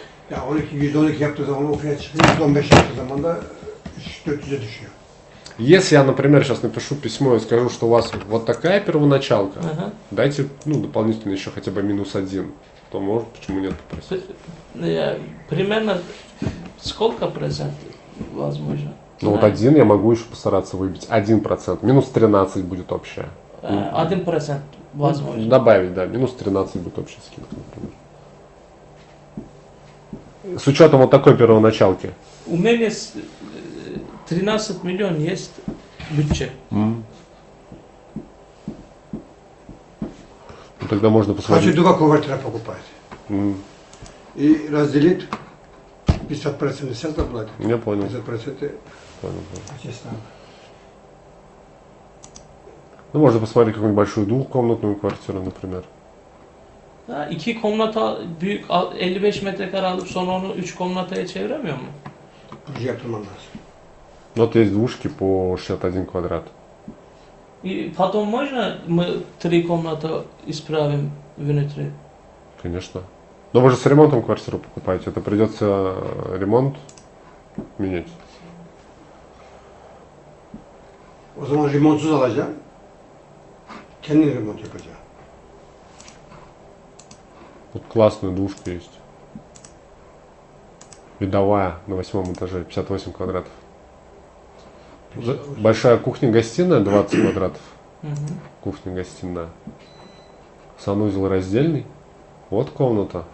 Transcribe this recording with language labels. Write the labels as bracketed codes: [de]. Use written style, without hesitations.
[tr] Ya 12 yaptığı zaman o fiyat çıkıyor, 15 yaptığı zaman da 400'e düşüyor. [ru] Если я, например, сейчас напишу письмо и скажу, что у вас вот такая первоначалка, дайте, ну, дополнительно еще хотя бы минус один, то может, почему нет, попросить? Примерно сколько процентов возможно? Ну вот один я могу еще постараться выбить, 1%, минус 13 будет общая. 1% возможно. Добавить, да, минус 13 будет общая скидка, например. С учетом вот такой первоначалки. У меня 13 миллионов есть бюджет. Ну, тогда можно посмотреть. Хочу два квартира покупать. И разделить 50% сейчас заплатить. Я понял. 50% Ну, можно посмотреть какую-нибудь большую двухкомнатную квартиру, например. [tr] Ha, iki komnata büyük 55 metrekare alıp sonra onu 3 komnataya çeviremiyor mu? Yatırmam lazım. [ru] Но то есть двушки по 61 квадрат. И потом можно мы 3 комнаты исправим внутри? Конечно. Но вы же с ремонтом квартиру покупаете, это придется ремонт менять. [tr] O zaman ремонтсуз alacağım. Kendi ремонт yapacağım. [ru] Вот классная душка есть. Видовая на 8 этаже, 58 квадратов. Большая кухня-гостиная, 20 квадратов. Кухня-гостиная. Санузел раздельный. Вот комната.